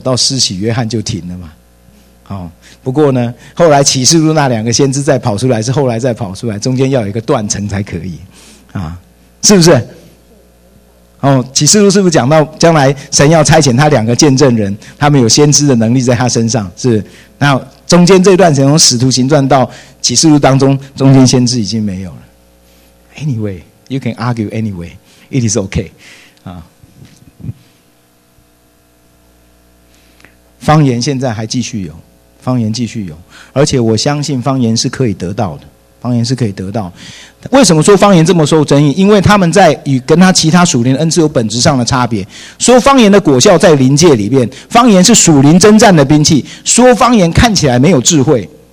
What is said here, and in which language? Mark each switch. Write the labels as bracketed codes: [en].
[zh] 到施洗约翰就停了嘛。好，不过呢，后来启示录那两个先知再跑出来，是后来再跑出来，中间要有一个断层才可以啊，是不是？哦，启示录是不是讲到将来神要差遣他两个见证人，他们有先知的能力在他身上？是，那中间这段从使徒行传到启示录当中，中间先知已经没有了。 [en] Anyway, you can argue anyway, it is okay. [zh] 方言现在还继续有，方言继续有，而且我相信方言是可以得到的，方言是可以得到。为什么说方言这么受争议？因为他们在与跟他其他属灵恩赐有本质上的差别。说方言的果效在灵界里面，方言是属灵征战的兵器。说方言看起来没有智慧。